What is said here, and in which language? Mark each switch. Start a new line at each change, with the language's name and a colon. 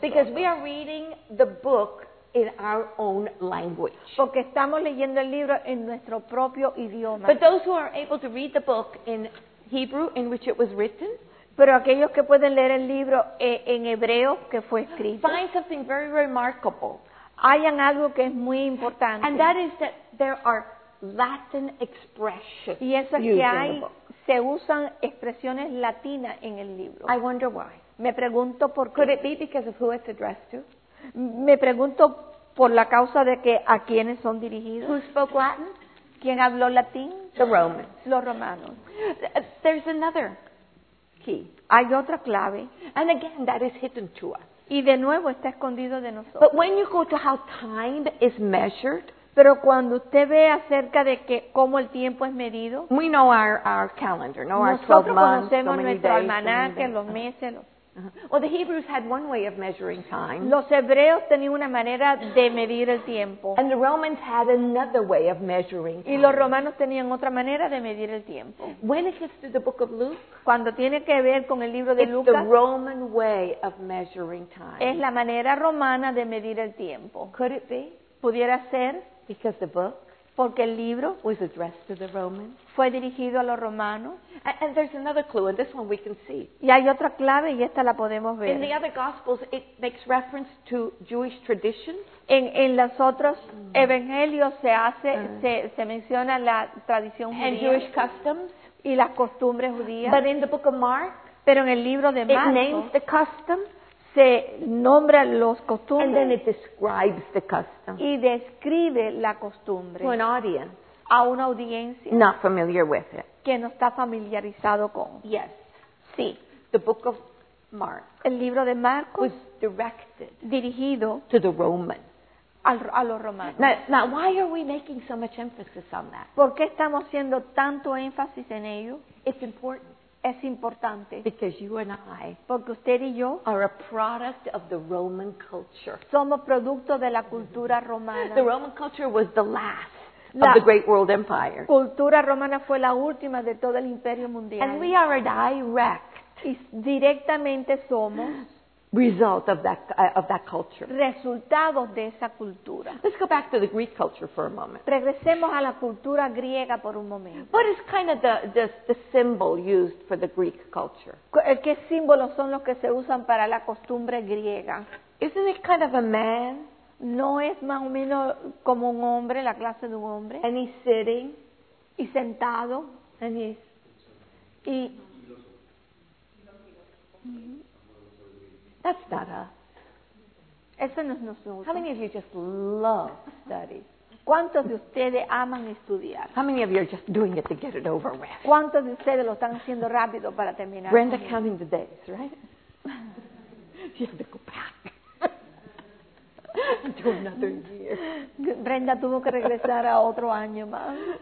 English: Because we are reading the book in our own language.
Spanish: Porque estamos leyendo el libro en nuestro propio idioma.
English: But those who are able to read the book in Hebrew in which it was written,
Spanish: pero aquellos que pueden leer el libro en hebreo que fue escrito,
English: find something very remarkable.
Spanish: Hay algo que es muy importante.
English: And that is that there are Latin expressions.
Spanish: Y eso es que hay, se usan expresiones latinas en el libro.
English: I wonder why.
Spanish: Me pregunto por qué.
English: Could it be because of who it's addressed to?
Spanish: Me pregunto por la causa de que a quiénes son dirigidos.
English: Who spoke Latin?
Spanish: ¿Quién habló latín?
English: The Romans.
Spanish: Los romanos.
English: There's another key.
Spanish: Hay otra clave.
English: And again, that is hidden to us.
Spanish: Y de nuevo está escondido de nosotros.
English: But when you go to how time is measured,
Spanish: pero cuando usted ve acerca de que cómo el tiempo es medido,
English: we know our calendar, know
Spanish: nosotros
English: our 12
Spanish: conocemos
English: months,
Spanish: nuestro almanaque, los meses. Los... Uh-huh.
English: Well, the Hebrews had one way of measuring time.
Spanish: Los hebreos tenían una manera de medir el tiempo.
English: And the Romans had another way of measuring time.
Spanish: Y los romanos tenían otra manera de medir el tiempo.
English: When it gets to the book of Luke,
Spanish: cuando tiene que ver con el libro de
English: it's
Spanish: Lucas,
English: the Roman way of measuring time.
Spanish: Es la manera romana de medir el tiempo.
English: Could it be?
Spanish: ¿Pudiera ser?
English: Because the book,
Spanish: porque el libro
English: was addressed to the Romans.
Spanish: Fue dirigido a los romanos.
English: And there's another clue, and this one we can see.
Spanish: Y hay otra clave, y esta la podemos ver.
English: In the other Gospels, it makes reference to Jewish traditions.
Spanish: En los otros evangelios se hace, se menciona la tradición judía.
English: And Jewish customs.
Spanish: Y las costumbres judías.
English: But in the book of Mark,
Spanish: pero en el libro de Marcos,
English: it names the customs.
Spanish: Se nombra los costumbres.
English: And then it describes the custom.
Spanish: Y describe la costumbre.
English: To an audience.
Spanish: A una audiencia.
English: Not familiar with it.
Spanish: Que no está familiarizado con.
English: Yes.
Spanish: Sí.
English: The book of Mark.
Spanish: El libro de Marcos.
English: Was directed.
Spanish: Dirigido.
English: To the Roman.
Spanish: A los romanos.
English: Now, why are we making so much emphasis on that?
Spanish: ¿Por qué estamos haciendo tanto énfasis en ello?
English: It's important.
Spanish: Es importante.
English: Because you and I,
Spanish: porque usted y yo,
English: are a product of the Roman culture.
Spanish: Somos producto de la cultura romana.
English: The Roman culture was the last of the great world empire.
Spanish: La cultura romana fue la última de todo el imperio mundial.
English: And we are a direct,
Spanish: y directamente somos,
English: result of that culture.
Spanish: Resultado de esa cultura.
English: Let's go back to the Greek culture for a moment.
Spanish: Regresemos a la cultura griega por un momento.
English: What is kind of the symbol used for the Greek culture?
Spanish: ¿Qué símbolos son los que se usan para la costumbre griega?
English: Isn't it kind of a man?
Spanish: ¿No es más o menos como un hombre, la clase de un hombre?
English: And he's sitting.
Spanish: Y sentado.
English: And he's...
Spanish: Y...
English: That's not us.
Spanish: Eso no es nosotros.
English: How many of you just love study?
Spanish: ¿Cuántos de ustedes aman estudiar?
English: How many of you are just doing it to get it over with?
Spanish: ¿Cuántos de ustedes lo están haciendo rápido para terminar?
English: Brenda, counting the days, right? You have to go back to another year.
Spanish: Brenda tuvo que regresar a otro año más.